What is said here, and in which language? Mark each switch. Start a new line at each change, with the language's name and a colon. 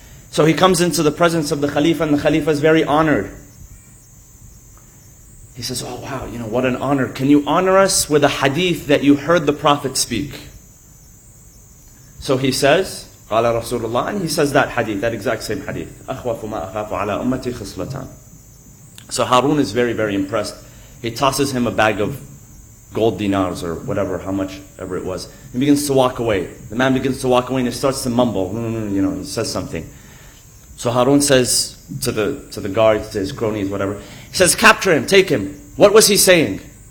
English: So he comes into the presence of the Khalifa, and the Khalifa is very honored. He says, oh wow, you know, what an honor. Can you honor us with a hadith that you heard the Prophet speak? So he says,
Arabic: قال رسول الله,
English: and he says that hadith, that exact same hadith.
Arabic: أخوف ما أخاف على أمتي خصلتان.
English: So Harun is very, very impressed. He tosses him a bag of gold dinars or whatever, how much ever it was. He begins to walk away. The man begins to walk away and he starts to mumble. You know, he says something. So Harun says to the guards, to his cronies, whatever, he says, capture him, take him. What was he saying?